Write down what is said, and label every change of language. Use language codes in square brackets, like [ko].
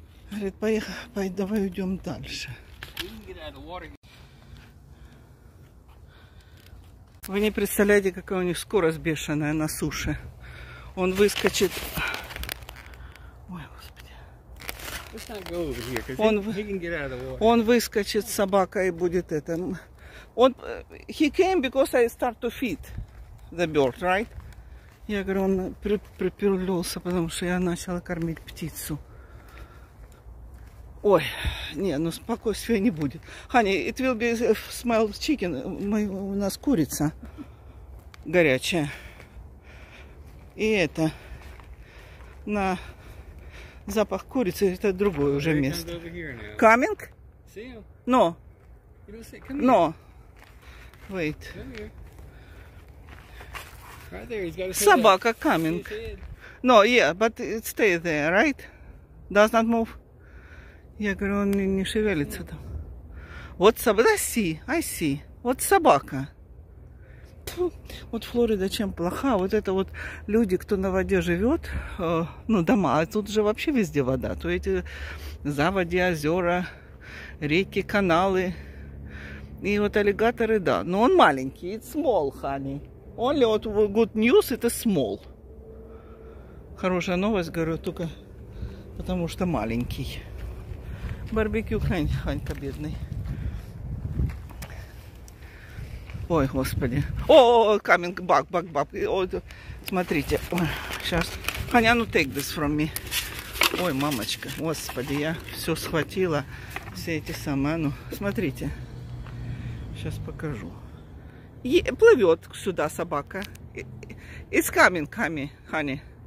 [ru] Говорит, поехали, давай уйдем дальше. Вы не представляете, какая у них скорость бешеная на суше. Он выскочит. Ой, господи. [en] Let's not go over here, he can get out of the water. [ru] Он выскочит с собакой и будет это. [en] Он, he came because I start to feed the bird, right? [ru] Я говорю, он приперлился, потому что я начала кормить птицу. Ой, не, ну спокойствия не будет. [en] Honey, it will be a smell of chicken. [ru] У нас курица горячая. И это на запах курицы, это другое уже место. [en] Coming? See him. No. You don't see, come here. No. Wait. Come here. Right there, he's got to [ru] Собака, [en] coming. No, yeah, but it stays there, right? Does not move. [ru] Я говорю, он не шевелится там. Вот собака. [en] I see. [ru] Вот собака. Вот Флорида чем плоха. Вот это вот люди, кто на воде живет, ну, дома, а тут же вообще везде вода. То эти заводи, озера, реки, каналы. И вот аллигаторы, да. Но он маленький. [en] It's small, honey. Only good news, it is small. [ru] Хорошая новость, говорю, только потому что маленький. Барбекю, Ханька, бедный. Ой, господи. О, [en] coming back, back. [ru] Oh, смотрите. Сейчас. Ханя, ну, [en] take this from me. [ru] Ой, мамочка. Господи, я все схватила. Все эти самые. Ну, смотрите. Сейчас покажу. Плывет сюда собака. [en] It's coming, honey.